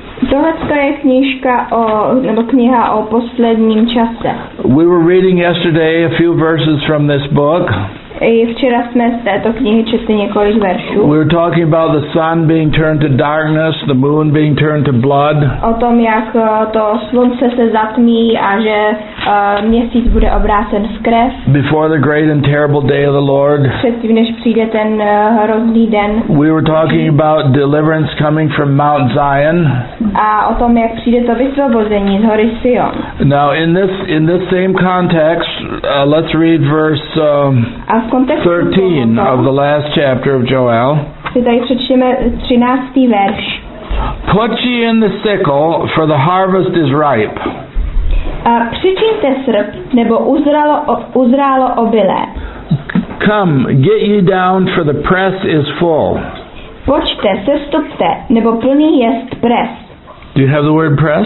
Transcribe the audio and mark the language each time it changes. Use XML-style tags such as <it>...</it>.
<cs>Tohle je knížka o, nebo kniha o posledním čase.</cs> <en>We were reading yesterday a few verses from this book.</en> <cs>Včera jsme z této knihy četli několik veršů.</cs> <en>We were talking about the sun being turned to darkness, the moon being turned to blood.</en> <cs>O tom, jak to slunce se zatmí a že měsíc bude obrácen v krev.</cs> <en>Before the great and terrible day of the Lord.</en> <cs>Předtím, než přijde ten hrozný den.</cs> <en>We were talking about deliverance coming from Mount Zion.</en> <cs>A o tom, jak přijde to vysvobození z hory Sion.</cs> <en>Now, in this same context, let's read verse 13 of the last chapter of Joel.</en> <cs>Si tady přečteme 13. verš.</cs> <en>Put ye in the sickle, for the harvest is ripe.</en> <cs>Přičiňte srp, nebo uzrálo obilé.</cs> <en>Come, get ye down, for the press is full.</en> <cs>Pojďte, sestupte, nebo plný jest press.</cs> <en>Do you have the word press?</en>